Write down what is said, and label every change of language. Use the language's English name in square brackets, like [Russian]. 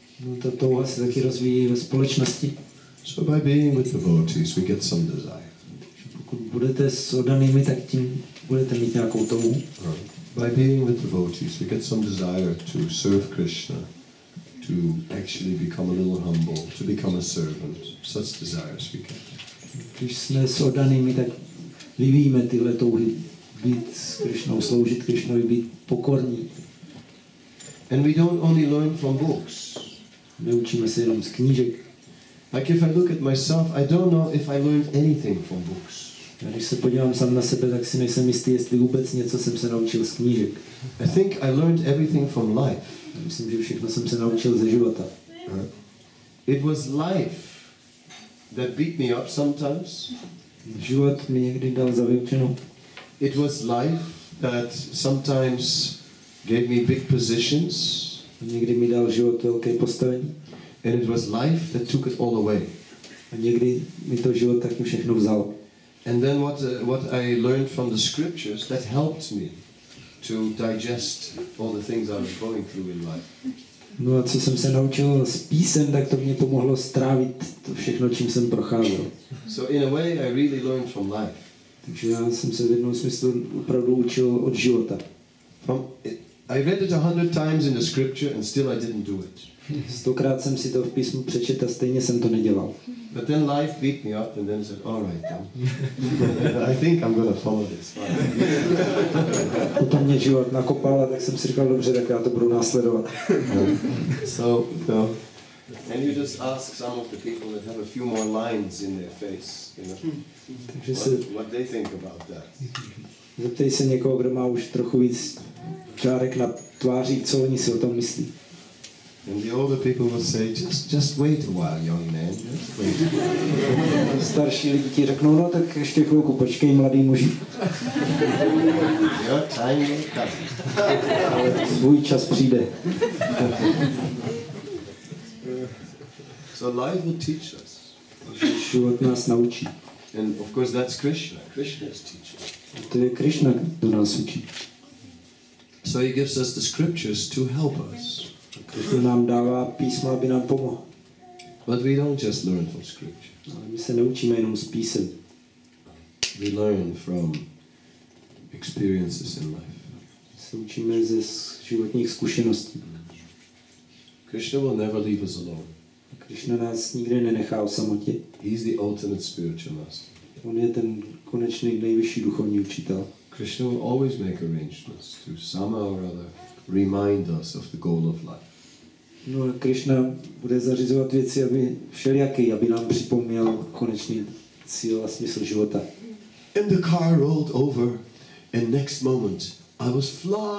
[Czech] No, to touha se taky rozvíjí ve společnosti. [English] So by being with devotees, we get some desire. [Czech] Pokud budete s oddanými, tak tím budete mít nějakou touhu. [English] By being with devotees, we get some desire to serve Krishna, to actually become a little humble, to become a servant. Such desires we get. [Czech] Když jsme s oddanými, tak vyvíjíme tyhle touhy být s Krishnou, sloužit Krishnovi, být pokorní. [English] And we don't only learn from books. [Czech] Neučíme se jenom z knížek. [English] Like if I look at myself, I don't know if I learned anything from books. [Czech] Já když se podívám sám na sebe, tak si nejsem jistý, jestli vůbec něco jsem se naučil z knížek. [English] I think I learned everything from life. [Czech] Já myslím, že všechno jsem se naučil ze života. [English] It was life that beat me up sometimes. [Czech] Život mi někdy dal za vyučenou. [English] It was life that sometimes gave me big positions. [Czech] Někdy mi dal život velké postavení. [English] And it was life that took it all away. [Czech] A někdy mi to život taky všechno vzal. [English] And then what I learned from the scriptures that helped me to digest all the things I was going through in life. [Czech] No a co jsem se naučil z písem, tak to mě pomohlo strávit to všechno, čím jsem procházel. [English] So in a way I really learned from life. [Czech] Takže já jsem se v jednom smyslu opravdu učil od života. [English] I read it 100 times in the scripture and still I didn't do it. [Czech] Stokrát jsem si to v písmu přečet a stejně jsem to nedělal. [English] But then life beat me up and then said, all right, I think I'm going to follow this. [Czech] Potom mě život nakopal a tak jsem si říkal, dobře, tak já to budu následovat. [English] So, and you just ask some of the people that have a few more lines in their face, you know, what they think about that. [Czech] Zeptej se někoho, kdo má už trochu víc čárek na tváři, co oni si o tom myslí. [English] And the older people will say, just wait a while, young man, just wait. [Czech] Starší lidi ti řeknou, no tak ještě chvilku, počkej, mladý muži. [English] Your time will come. [Czech] Ale svůj čas přijde. [English] So life will teach us. [Czech] Život nás naučí. [English] And of course that's Krishna. Krishna is teaching. [Czech] To je Krishna, kdo nás učí. [English] So he gives us the scriptures to help us. [Czech] Krishna nám dává písma, aby nám pomohl. [English] But we don't just learn from scripture. [Czech] Ale my se neučíme jenom z písem. [English] We learn from experiences in life. [Czech] My se učíme ze životních zkušeností. [English] Krishna will never leave us alone. [Czech] A Krishna nás nikdy nenechá o samotě. [English] He's the ultimate spiritual master. [Czech] On je ten konečný nejvyšší duchovní učitel. [English] Krishna will always make arrangements to somehow or other remind us of the goal of life. [Czech] No, Krishna bude zařizovat věci, aby všelijaký, aby nám připomněl konečný cíl a smysl života. [English] And the car rolled over, and next moment I was flying.